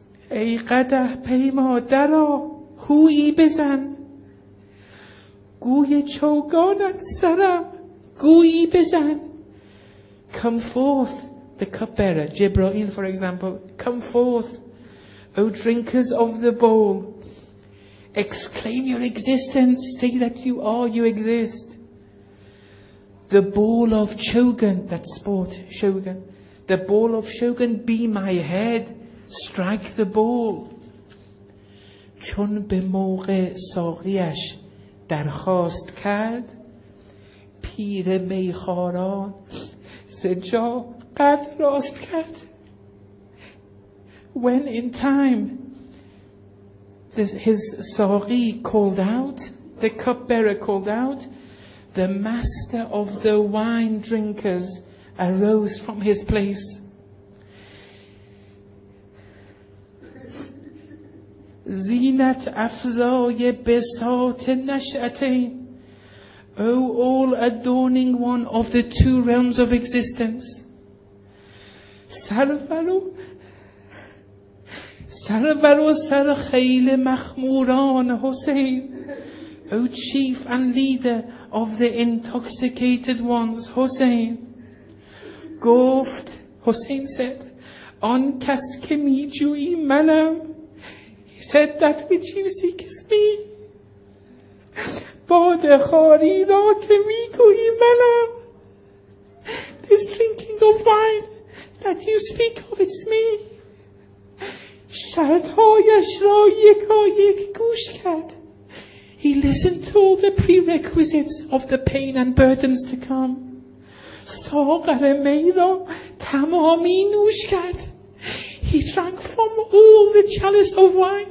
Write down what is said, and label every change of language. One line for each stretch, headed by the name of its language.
Persian: ای قده پیما درا هویی بزن گوی چوگانت سرم گویی بزن.
English: Come forth, the cupbearer, Jibreel for example, come forth, O drinkers of the bowl, exclaim your existence, say that you are, you exist. The ball of chogan, that sport, shogan, the ball of shogan, be my head, strike the ball.
Persian: چون به موقع ساقیش درخواست کرد پیر میخواران سجا قد راست کرد.
English: When in time his ساقی called out, the cupbearer called out, the master of the wine drinkers arose from his place.
Persian: زینت افزای بساط نشأتین.
English: O all adorning one of the two realms of existence.
Persian: سرور و سر خیل مخموران حسین.
English: O chief and leader of the intoxicated ones, حسین.
Persian: گفت حسین said, آن کس که می جویی منم.
English: He said, that which you seek is me.
Persian: باد خاری را که می گویی منم.
English: This drinking of wine that you speak of is me.
Persian: شرطهایش را یکا یک گوش کرد.
English: He listened to all the prerequisites of the pain and burdens to come.
Persian: ساغر می را تمامی نوش کرد.
English: He drank from all the chalice of wine.